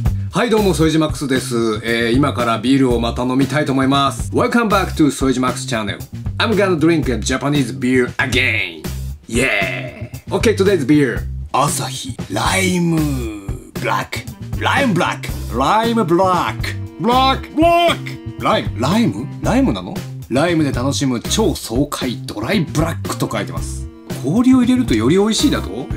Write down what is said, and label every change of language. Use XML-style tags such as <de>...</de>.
<ja>はいどうも、ソイジマックスです。今からビールをまた飲みたいと思います。</ja> <en>Welcome back to ソイジマックスチャンネル。 I'm gonna drink a Japanese beer again. Yeah. Okay, today's beer.</en> <ja>アサヒライムブラック。ライムブラック、ライムブラック、ブラックブラック、ライム、ライム、ライムなの。ライムで楽しむ超爽快ドライブラックと書いてます。氷を入れるとより美味しいだと。</ja>